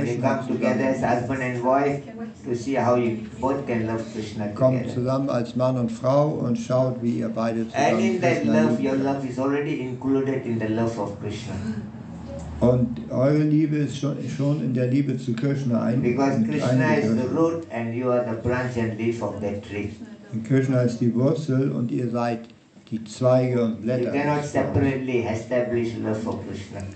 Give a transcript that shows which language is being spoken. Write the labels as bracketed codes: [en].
[en] And you come together as husband and wife to see how you both can love Krishna together. [de] Kommt zusammen als Mann und Frau und schaut, wie ihr beide zusammen liebt. [en] And in that love, your love is already included in the love of Krishna. [de] Und eure Liebe ist schon in der Liebe zu Krishna eingegriffen. [en] Because Krishna is the root and you are the branch and leaf of that tree. [de] Und Krishna ist die Wurzel und ihr seid die Zweige und Blätter. [en] You cannot separately establish love for Krishna.